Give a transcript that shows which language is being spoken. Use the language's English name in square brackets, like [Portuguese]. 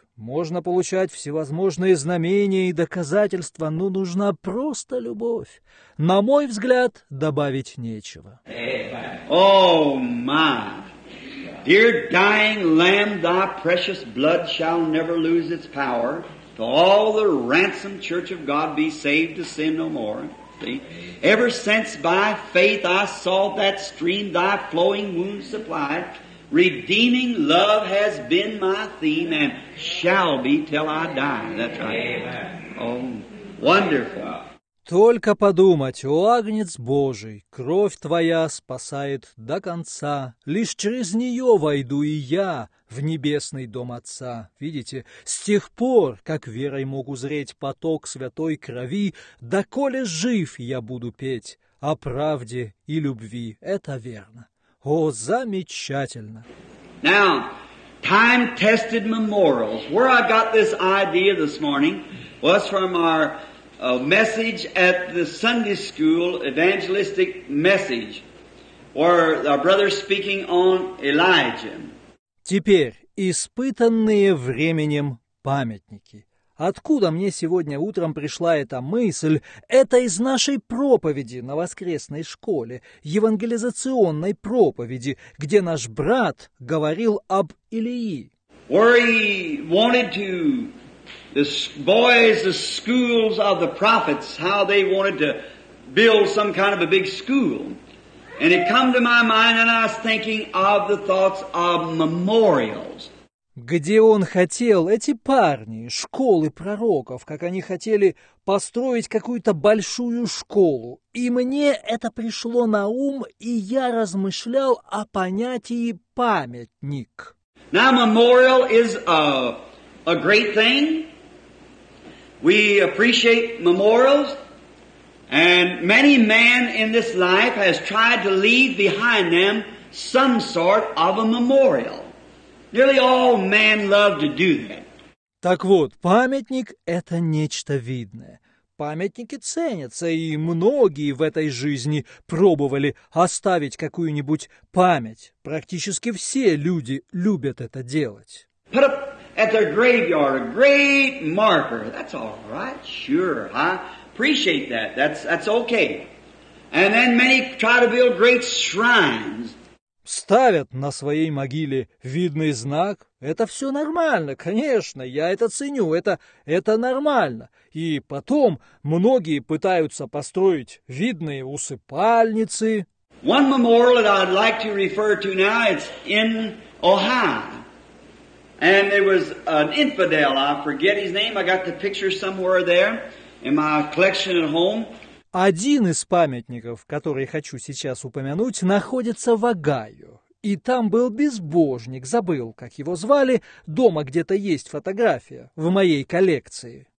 [Russian] Можно получать всевозможные знамения и доказательства, но нужна просто любовь. На мой взгляд, добавить нечего. [English] Oh, my. Dear dying lamb, thy precious blood shall never lose its power. To all the ransomed church of God be saved to sin no more. Ever since by faith I saw that stream thy flowing wounds supplied, redeeming love has been my theme and shall be till I die. That's right. Oh, wonderful. [Russian] Только подумать, о Агнец Божий, кровь твоя спасает до конца. Лишь через нее войду и я в небесный дом Отца. Видите, с тех пор, как верой мог узреть поток святой крови, доколе жив я буду петь, о правде и любви. Это верно. О, замечательно! [English] Now, time-tested memorials. Where I got this idea this morning was from our message at the Sunday school, evangelistic message, where our brother speaking on Elijah. [Russian] Теперь испытанные временем памятники. Откуда мне сегодня утром пришла эта мысль? Это из нашей проповеди на воскресной школе, евангелизационной проповеди, где наш брат говорил об Илии. [English] Where he wanted to, the boys, the schools of the prophets, how they wanted to build some kind of a big school. And it come to my mind, and I was thinking of the thoughts of memorials. [Russian] Где он хотел, эти парни, школы пророков, как они хотели построить какую-то большую школу. И мне это пришло на ум, и я размышлял о понятии памятник. [English] Now, memorial is a great thing. We appreciate memorials. And many men in this life has tried to leave behind them some sort of a memorial. Nearly all men love to do that. [Russian] Так вот, памятник — это нечто видное. Памятники ценятся, и многие в этой жизни пробовали оставить какую-нибудь память. Практически все люди любят это делать. [English] Put up at their graveyard a great marker. That's all right, sure, huh? Appreciate that. That's okay. And then many try to build great shrines. [Russian] Ставят на своей могиле видный знак. Это все нормально, конечно, я это ценю, это нормально. И потом многие пытаются построить видные усыпальницы. [English] One memorial that I'd like to refer to now, it's in Ohio. And there was an infidel, I forget his name, I got the picture somewhere there in my collection at home. [Russian] Один из памятников, который хочу сейчас упомянуть, находится в Огайо. И там был безбожник, забыл, как его звали, дома где-то есть фотография в моей коллекции.